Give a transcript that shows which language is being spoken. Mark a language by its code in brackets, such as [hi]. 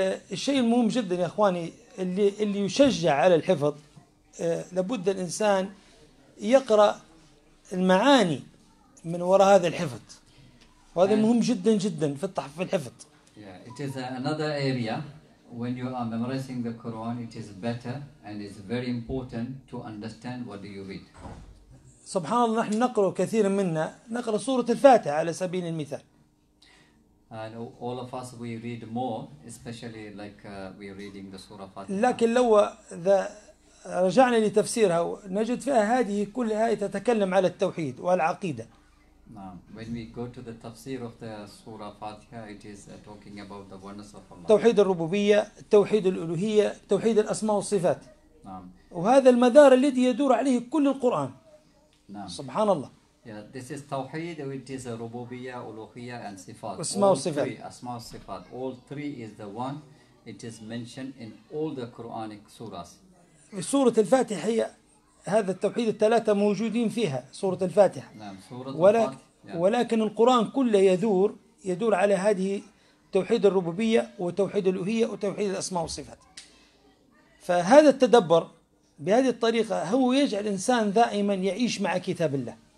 [ar] الشيء المهم جدا يا إخواني اللي يشجع على الحفظ لابد الإنسان يقرأ المعاني من وراء هذا الحفظ. وهذا مهم جدا جدا في التحفيظ الحفظ. [en] Yeah, it is another area when you are memorizing the Quran. It is better and it's very important to understand what do you read. [ar] سبحان الله نحن نقرأ كثيرا منا نقرأ سورة الفاتحة على سبيل المثال. [en] And all of us we read more, especially like we reading the Surah Fatiha. [ar] لكن لو رجعنا لتفسيرها نجد فيها هذه كلها تتكلم على التوحيد والعقيدة. [en] When we go to the tafsir of the Surah Fatiha, it is talking about the oneness of Allah. [ar] توحيد الربوبية، توحيد الألوهية، توحيد الأسماء والصفات. وهذا المدار الذي يدور عليه كل القرآن. سبحان الله. [en] Yeah, this is tawhid, which is a rububiyya, uluhiyya, and sifat. Asma wa sifat. Asma wa sifat. All three is the one. It is mentioned in all the Quranic surahs. [ar] Surah Al-Fatiha هي هذا التوحيد الثلاثة موجودين فيها سورة الفاتحة. ولكن القرآن كله يدور على هذه توحيد الربوبية وتوحيد الألوهية وتوحيد الأسماء والصفات. فهذا التدبر بهذه الطريقة هو يجعل الإنسان دائما يعيش مع كتاب الله.